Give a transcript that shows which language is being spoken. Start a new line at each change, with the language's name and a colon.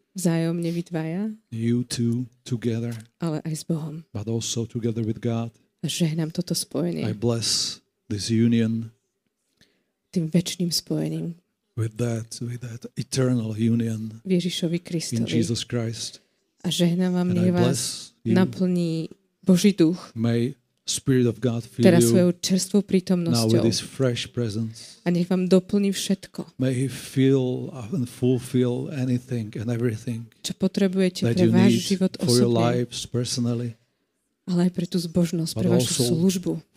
Slovak: Vzájomne vy dvaja.
English: You two together.
Slovak: Ale aj s Bohom.
English: But also together with God.
Slovak: A žehnám toto spojenie.
English: I bless this union.
Slovak: Tým večným spojením.
English: With that eternal union.
Slovak: V Ježišovi Kristovi.
English: In Jesus Christ.
Slovak: A žehnám vám, nech vás naplní Boží duch.
English: May Spirit of God fill
Slovak: teraz svojou čerstvou prítomnosťou.
English: Now with his fresh presence.
Slovak: A nech vám doplní všetko.
English: May he fill and fulfill anything and everything.
Slovak: Čo potrebujete pre
English: you
Slovak: váš
English: need
Slovak: život
English: for your lives personally.
Slovak: Ale aj pre tú zbožnosť, pre vašu službu.